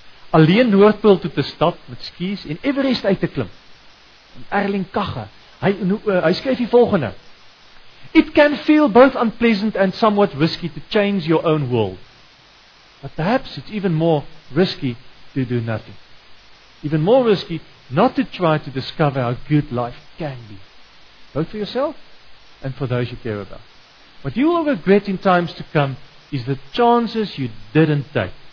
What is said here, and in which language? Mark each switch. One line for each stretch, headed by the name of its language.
Afrikaans: Alleen Noordpool toe te stap met skis en Everest uit te klim. En Erling Kagge, hy skryf die volgende.
English: It can feel both unpleasant and somewhat risky to change your own world. But perhaps it's even more risky to do nothing. Even more risky not to try to discover how good life can be. Both for yourself and for those you care about. What you will regret in times to come is the chances you didn't take.